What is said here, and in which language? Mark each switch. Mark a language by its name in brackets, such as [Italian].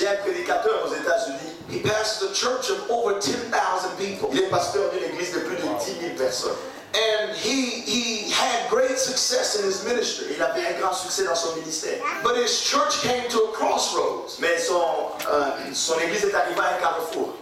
[French] Il y a un prédicateur aux États-Unis. [English] He pastors a church of over 10,000 people. [French] Il est pasteur d'une église de plus de 10,000 personnes. [English] And he had great success in his ministry. [French] Il avait un grand succès dans son ministère. [English] But his church came to a crossroads. [French] Mais son église est arrivée à un carrefour.